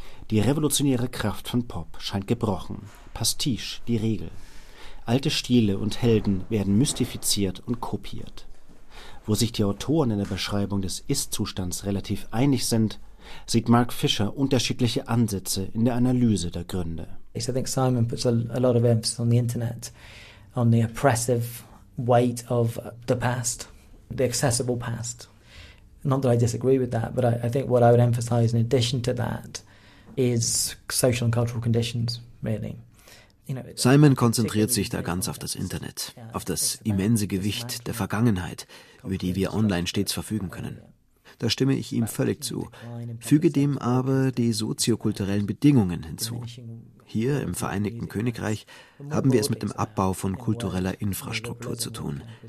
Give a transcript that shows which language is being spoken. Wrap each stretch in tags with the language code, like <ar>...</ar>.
<de>Die revolutionäre Kraft von Pop scheint gebrochen, Pastiche die Regel. Alte Stile und Helden werden mystifiziert und kopiert. Wo sich die Autoren in der Beschreibung des Ist-Zustands relativ einig sind, sieht Mark Fischer unterschiedliche Ansätze in der Analyse der Gründe.</de> <en>I think Simon puts a lot of emphasis on the internet. on the oppressive weight of the past, the accessible past. Not that I disagree with that, but I think what I would emphasize in addition to that is social and cultural conditions, really.</en> <de>Simon konzentriert sich da ganz auf das Internet, auf das immense Gewicht der Vergangenheit, über die wir online stets verfügen können. Da stimme ich ihm völlig zu, füge dem aber die soziokulturellen Bedingungen hinzu. Hier im Vereinigten Königreich haben wir es mit dem Abbau von kultureller Infrastruktur zu tun.</de>